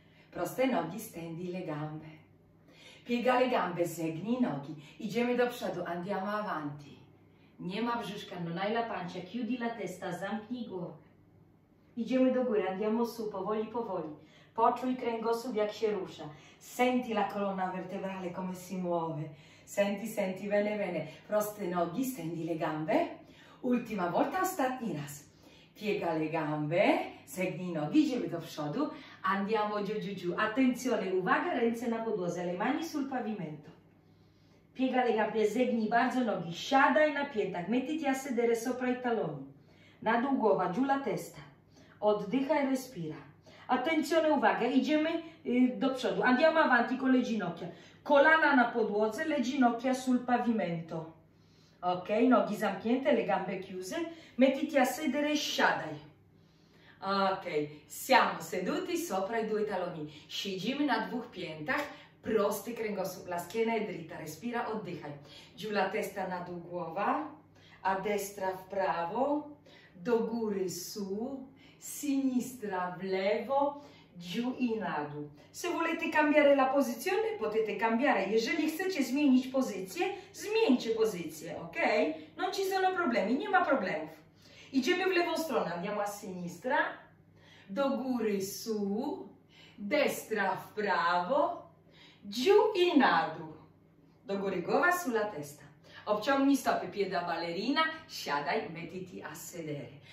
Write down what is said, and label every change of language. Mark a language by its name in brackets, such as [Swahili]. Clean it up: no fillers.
[Polish] Proste nogi, [Italian] stendi le gambe. Piega le gambe, [Polish] zegnij nogi. Idziemy do przodu, [Italian] andiamo avanti. [Polish] Nie ma brzuszka, [Italian] non hai la pancia, chiudi la testa, [Polish] zamknij głowę. Idziemy do góry, andiamo su, powoli, powoli. Poczuj kręgosłup, jak się rusza. [Italian] Senti la colonna vertebrale, come si muove. Senti, senti, bene, bene. [Polish] Proste nogi, stendi [Italian] le gambe. Ultima volta, [Polish] ostatni raz. [Italian] Piega le gambe, [Polish] segni nogi, idziemy do przodu. [Italian] Andiamo giù, giù, giù. Attenzione, [Polish] uwaga, ręce na podłodze, [Italian] le mani sul pavimento. Piega le gambe, [Polish] segni bardzo nogi, siadaj na piętach, [Italian] mettiti a sedere sopra i taloni. [Polish] Na dół głowa, [Italian] giù la testa. [Polish] Oddychaj, [Italian] respira. Attenzione, [Polish] uwaga, idziemy do przodu. [Italian] Andiamo avanti con le ginocchia. [Polish] Kolana na podłodze, [Italian] le ginocchia sul pavimento. Ok, [Polish] nogi zamknięte, [Italian] le gambe chiuse. Mettiti a sedere, [Polish] siadaj. [Italian] Ok, siamo seduti sopra i due taloni. [Polish] Siedzimy na dwóch piętach, [Italian] prosty kręgosłup. La schiena è dritta, respira, [Polish] oddychaj. [Italian] Giù la testa [Polish] na dół głowa, [Italian] a destra [Polish] w prawo, do góry su, [Italian] sinistra [Polish] w lewo, giù i na dół. [Italian] Se volete cambiare la posizione, potete cambiare. [Polish] Jeżeli chcecie zmienić pozycję, zmieńcie pozycję, ok? [Italian] Non ci sono problemi, [Polish] nie ma problemów. Idziemy w lewą stronę, [Italian] andiamo a sinistra, [Polish] do góry su, [Italian] destra [Polish] w prawo, giù i na dół. Do góry głowa, [Italian] sulla testa. [Polish] Obciągnij stopy, [Italian] pieda balerina, [Polish] siadaj, [Italian] mettiti a sedere.